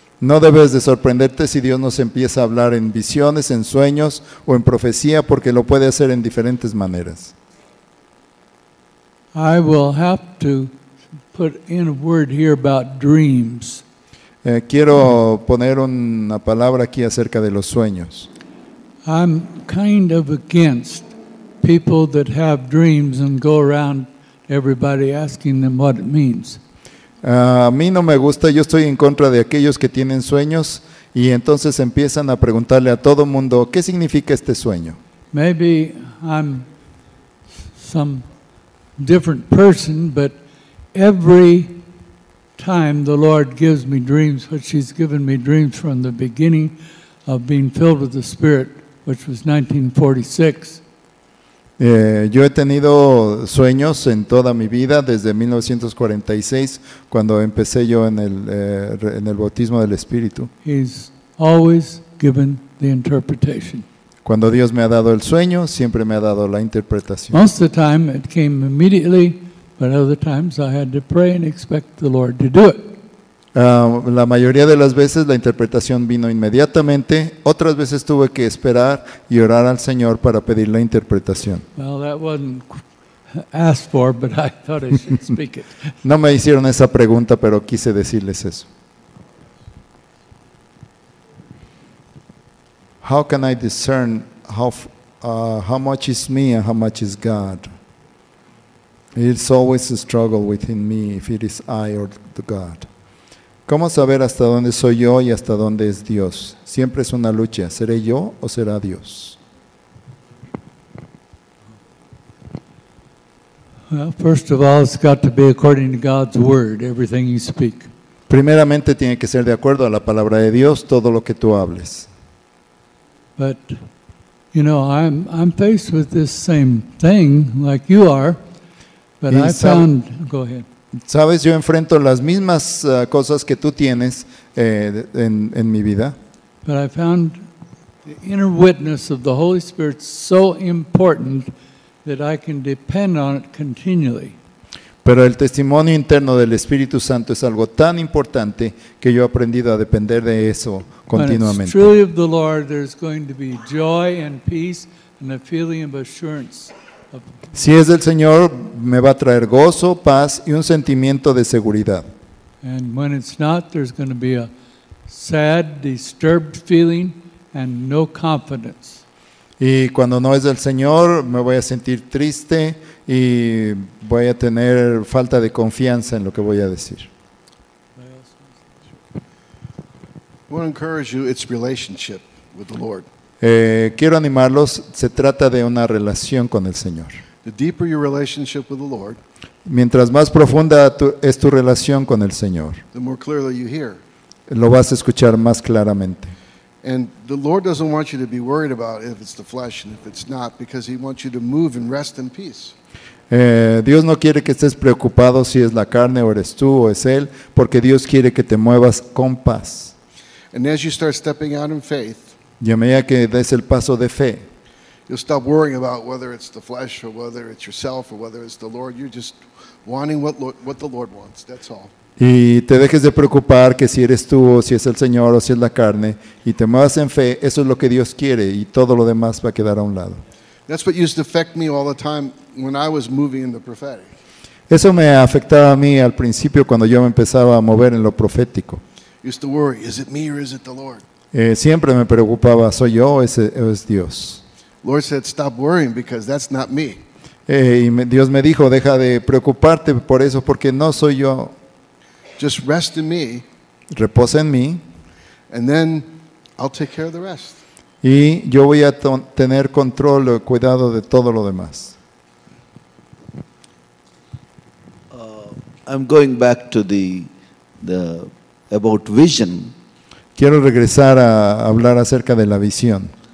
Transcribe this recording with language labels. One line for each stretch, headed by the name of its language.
Spanish: No debes de sorprenderte si Dios nos empieza a hablar en visiones, en sueños o en profecía porque lo puede hacer en diferentes maneras.
English: I will have to put in a word here about dreams.
Spanish: Quiero poner una palabra aquí acerca de los sueños.
English: I'm kind of against people that have dreams and go around everybody asking them what it means.
Spanish: A mí no me gusta, yo estoy en contra de aquellos que tienen sueños y entonces empiezan a preguntarle a todo mundo, ¿qué significa este sueño?
English: Maybe I'm some different person, but every time the Lord gives me dreams, which He's given me dreams from the beginning of being filled with the Spirit, which was 1946.
Spanish: Yo he tenido sueños en toda mi vida desde 1946 cuando empecé yo en el bautismo del Espíritu.
English: He's always given the interpretation.
Spanish: Cuando Dios me ha dado el sueño, siempre me ha dado la interpretación.
English: Most of the time it came immediately, but other times I had to pray and expect the Lord to do it.
Spanish: La mayoría de las veces la interpretación vino inmediatamente, otras veces tuve que esperar y orar al Señor para pedir la interpretación.
English: Well, that wasn't asked for, but I thought I should speak it.
Spanish: No me hicieron esa pregunta, pero quise decirles eso.
English: How can I discern how much is me and how much is God? It's always a struggle within me if it is I or the God.
Spanish: ¿Cómo saber hasta dónde soy yo y hasta dónde es Dios? Siempre es una lucha. ¿Seré yo o será Dios?
English: Well, first of all, it's got to be according to God's word, everything you speak.
Spanish: Primeramente tiene que ser de acuerdo a la palabra de Dios todo lo que tú hables.
English: But you know, I'm faced with this same thing like you are, but I found go ahead.
Spanish: Sabes, yo enfrento las mismas cosas que tú tienes en mi vida.
English: But I found the inner witness of the Holy Spirit so important that I can depend on it continually.
Spanish: Pero el testimonio interno del Espíritu Santo es algo tan importante que yo he aprendido a depender de eso continuamente.
English: When it's truly of the Lord, there's going to be joy and peace and a feeling of assurance.
Spanish: Si es del Señor, me va a traer gozo, paz y un sentimiento de seguridad.
English: And when it's not, there's going to be a sad, disturbed feeling and no confidence.
Spanish: Y cuando no es del Señor, me voy a sentir triste y voy a tener falta de confianza en lo que voy a decir.
English: I want to encourage you, it's relationship with the Lord.
Spanish: Quiero animarlos, se trata de una relación con el Señor.
English: The deeper your relationship with the Lord,
Spanish: mientras más profunda es tu relación con el Señor,
English: the more clearly you hear.
Spanish: Lo vas a escuchar más claramente.
English: And the Lord doesn't want you to be worried about if it's the flesh and if it's not, because he wants you to move and rest in peace.
Spanish: Dios no quiere que estés preocupado si es la carne o eres tú o es él, porque Dios quiere que te muevas con paz.
English: And as you start stepping out in faith,
Spanish: y a medida que des el paso de fe,
English: you'll stop worrying about whether it's the flesh or whether it's yourself or whether it's the Lord. You're just wanting what the Lord wants. That's all.
Spanish: Y te dejes de preocupar que si eres tú o si es el Señor o si es la carne y te muevas en fe, eso es lo que Dios quiere y todo lo demás va a quedar a un lado.
English: That's what used to affect me all the time when I was moving in the prophetic.
Spanish: Eso me afectaba a mí al principio cuando yo me empezaba a mover en lo profético.
English: Used to worry, is it me or is it the Lord?
Spanish: Siempre me preocupaba, ¿soy yo o es Dios?
English: Lord said, stop worrying because that's not me.
Spanish: Dios me dijo, deja de preocuparte por eso porque no soy yo.
English: Just rest in me.
Spanish: Reposa en mí.
English: And then I'll take care of the rest.
Spanish: Y yo voy a tener control o cuidado de todo lo demás.
English: I'm going back to the about vision.
Spanish: Quiero regresar a hablar acerca de la visión.